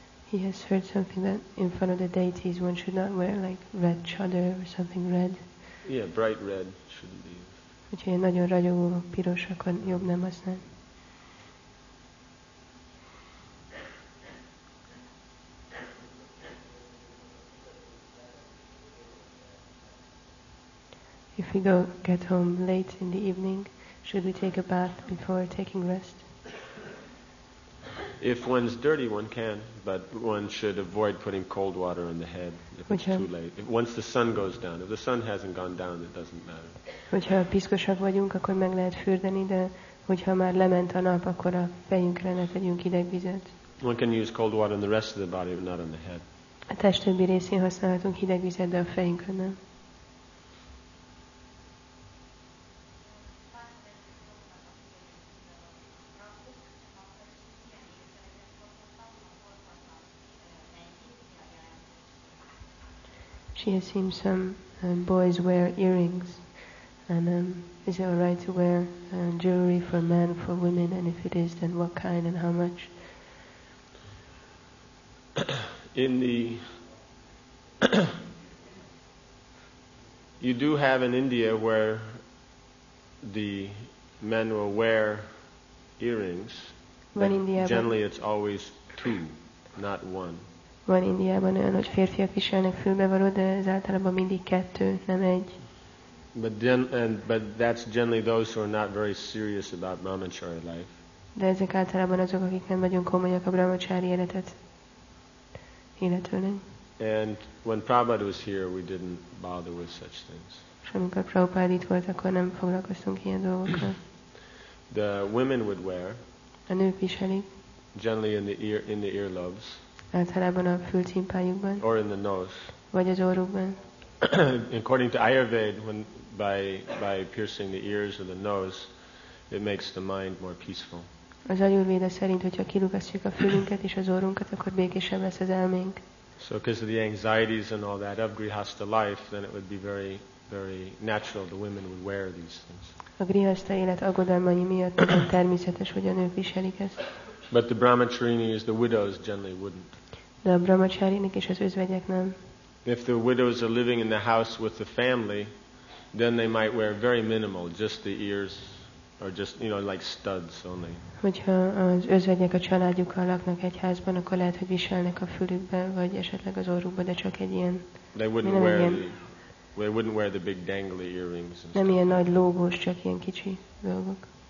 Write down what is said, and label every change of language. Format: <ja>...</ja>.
<en>He has heard something that in front of the deities one should not wear like red chadar or something red. Yeah, bright red shouldn't be.</en> <hu>Hogyha ilyen nagyon ragyogó piros, akkor jobb nem használ.</hu> <en>If we go get home late in the evening, should we take a bath before taking rest? If one's dirty, one can, but one should avoid putting cold water on the head if it's too late. If, once the sun goes down, if the sun hasn't gone down, it doesn't matter.</en> <hu>Hogyha piszkosak vagyunk, akkor meg lehet fürdeni, de hogyha már lement a nap, akkor a fejünkre ne tegyünk ideg vizet.</hu> <en>One can use cold water in the rest of the body, but not on the head.</en> <hu>A test többi részén használhatunk hideg vizet, de a fejünkön nem.</hu> <en>She has seen some boys wear earrings, and is it all right to wear jewelry for men, for women, and if it is, then what kind and how much? In the you do have in India where the men will wear earrings,</en> <hu>but Indiában</hu> <en>generally it's always two, not one.</en> <hu>Van Indiában olyan, hogy férfiak viselnek fülbevaló, de ez általában mindig kettő, nem egy.</hu> <en>But that's generally those who are not very serious about brahmacharya life.</en> <hu>De ezek általában azok, akik nem nagyon komolyak a brahmacsári életet életőnek.</hu> <en>And when Prabhupada was here, we didn't bother with such things.</en> <hu>És amikor Prabhupada itt volt, akkor nem foglalkoztunk ilyen dolgokkal.</hu> <en>The women would wear.</en> <hu>A nők viselik.</hu> <en>Generally in the earlobes.</en> <hu>Általában a fülcímpájukban.</hu> <en>Or in the nose.</en> <hu>Vagy az orrukban.</hu> <en>According to Ayurveda, when by piercing the ears or the nose, it makes the mind more peaceful.</en> <hu>Az Ayurveda szerint, hogyha kilukasztjuk a fülünket és az orrunkat, akkor békésebb lesz az elménk.</hu> <en>So because of the anxieties and all that of grihastha life, then it would be very, very natural the women would wear these things.</en> <hu>A grihastha élet aggodalmai miatt természetes, hogy a nők viselik ezt.</hu> <en>But the brahmacharinis, the widows, generally wouldn't.</en> <hu>De a brahmacharinik és az özvegyek nem.</hu> <en>If the widows are living in the house with the family, then they might wear very minimal, just the ears, or just, you know, like studs only.</en> <hu>Hogyha az özvegyek a családjukkal laknak egy házban, akkor lehet, hogy viselnek a fülükbe, vagy esetleg az orrukba, de csak egy ilyen.</hu> <en>They wouldn't wear the big dangly earrings.</en> <hu>Nem ilyen nagy lógós, csak ilyen kicsi dolgok.</hu>